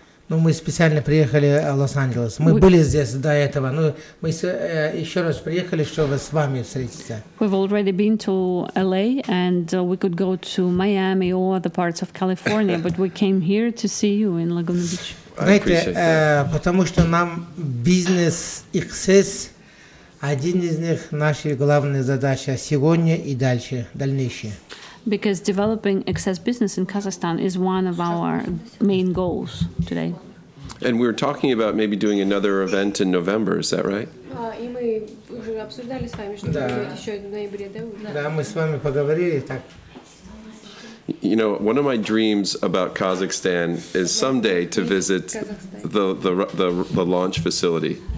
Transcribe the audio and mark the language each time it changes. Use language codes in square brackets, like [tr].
[ru] Ну мы специально приехали в Лос-Анджелес. Мы были здесь до этого, но мы еще раз приехали, чтобы с вами встретиться. [en] We've already been to LA and we could go to Miami or other parts of California, but we came here to see you in Laguna Beach. [ru] Знаете, потому что нам бизнес и XS один из них наши главные задачи сегодня и дальше, дальнейшие. [en] Because developing excess business in Kazakhstan is one of our main goals today. And we were talking about maybe doing another event in November, is that right? [ru] И мы уже обсуждали с вами, что будет еще в ноябре, да? Да, мы с вами поговорили, так. [en] You know, one of my dreams about Kazakhstan is someday to visit the launch facility.